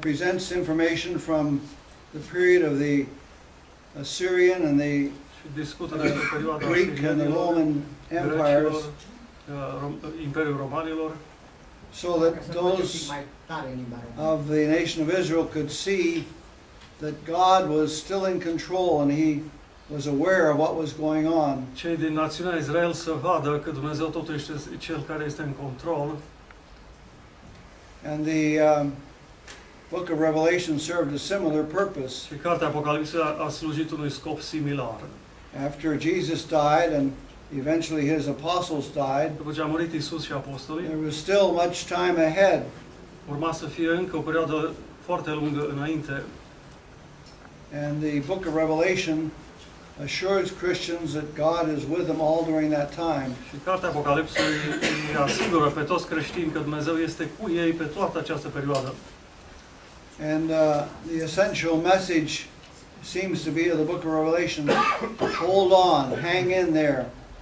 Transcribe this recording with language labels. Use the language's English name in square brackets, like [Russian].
[English] presents information from the period of the Assyrian and the Greek and the Roman empires. [Romanian] Imperiul Romanilor. [English] So that those of the nation of Israel could see that God was still in control and he was aware of what was going on. [Romanian] Cei din națiunea Israel să vadă că Dumnezeu totuși este cel care este în control. [English] And the book of Revelation served a similar purpose. [Romanian] Și cartea Apocalipsa a slujit unui scop similar. [English] After Jesus died and eventually his apostles died. [Romanian] După ce a murit Iisus și apostolii. [English] There was still much time ahead. [Romanian] Urma să fie încă o perioadă foarte lungă înainte. [English] And the book of Revelation assures Christians that God is with them all during that time. [Romanian] Și cartea Apocalipsei îi asigură pe toți creștini că Dumnezeu este cu ei pe toată această perioadă. [English] And the essential message seems to be of the book of Revelation, hold on, hang in there.